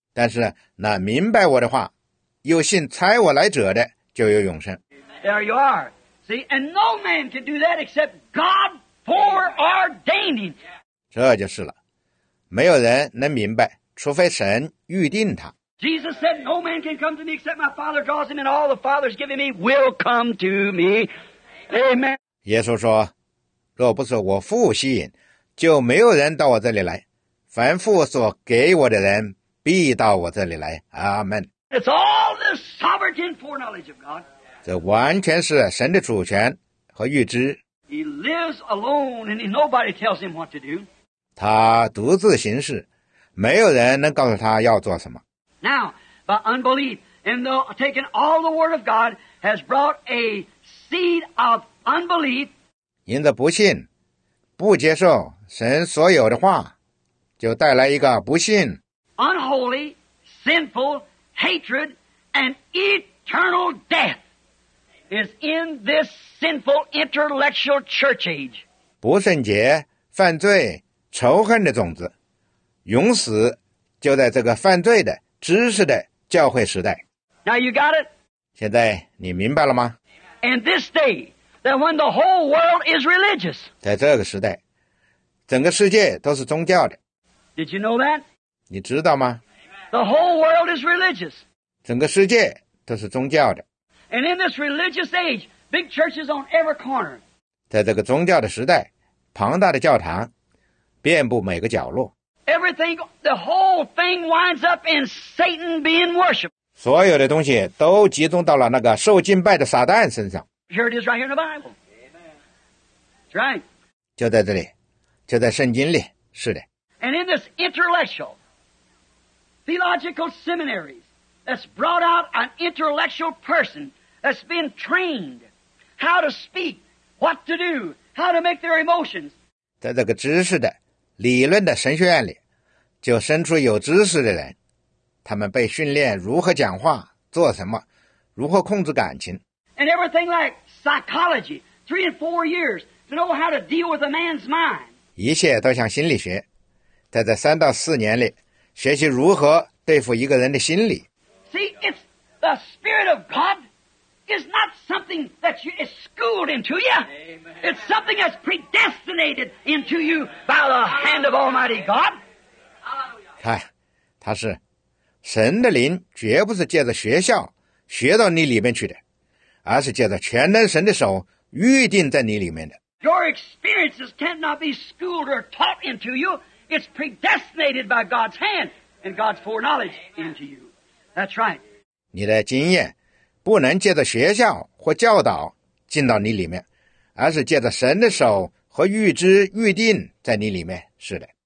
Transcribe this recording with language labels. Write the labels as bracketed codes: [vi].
[zh] 但是那明白我的话，有信差我来者的就有永生。 [en] There you are. See, and no man can do that except God foreordaining. [zh] 这就是了，没有人能明白，除非神预定他。 [en] Jesus said, "No man can come to me except my Father draws him, and all the Father's given me will come to me." Amen. [zh] 耶稣说，若不是我父吸引，就没有人到我这里来。凡父所给我的人，必到我这里来。 [en] Amen. It's all the sovereign foreknowledge of God. [zh] 这完全是神的主权和预知。 [en] He lives alone, and nobody tells him what to do. [zh] 他独自行事，没有人能告诉他要做什么。 [en] Now, by unbelief, and though taking all the word of God has brought a seed of unbelief, [zh] 因着不信，不接受神所有的话，就带来一个不信 [en] unholy, sinful, hatred, and eternal death is in this sinful intellectual church age. [zh] 不圣洁、犯罪、仇恨的种子，永死就在这个犯罪的知识的教会时代。 [en] Now you got it? [zh] 现在你明白了吗？ [en] And this day, that when the whole world is religious, [zh] 在这个时代，整个世界都是宗教的。 [en] Did you know that? [zh] 你知道吗？ [en] The whole world is religious. [zh] 整个世界都是宗教的。 [en] And in this religious age, big churches on every corner. [zh] 在这个宗教的时代，庞大的教堂遍布每个角落。 [en] Everything, the whole thing winds up in Satan being worshipped. [zh] 所有的东西都集中到了那个受敬拜的撒旦身上。 [en] Here it is right here in the Bible. That's right. [zh] 就在这里，就在圣经里，是的。 [en] And in this intellectual, theological seminaries that's brought out an intellectual person that's been trained how to speak, what to do, how to make their emotions. [zh] 在这个知识的理论的神学院里，就生出有知识的人，他们被训练如何讲话、做什么、如何控制感情。 [en] And everything like psychology, 3 and 4 years to know how to deal with a man's mind. [zh] 一切都像心理学，在这3到4年里，学习如何对付一个人的心理。 [en] See, it's the Spirit of God is not something that you is schooled into you. It's something that's predestinated into you by the hand of Almighty God. [zh] 看，他是神的灵，绝不是借着学校学到你里面去的，而是借着全能神的手预定在你里面的。 [en] Your experiences cannot be schooled or taught into you. It's predestinated by God's hand and God's foreknowledge into you. That's right. [zh] 你的经验不能借着学校或教导进到你里面，而是借着神的手和预知预定在你里面，是的。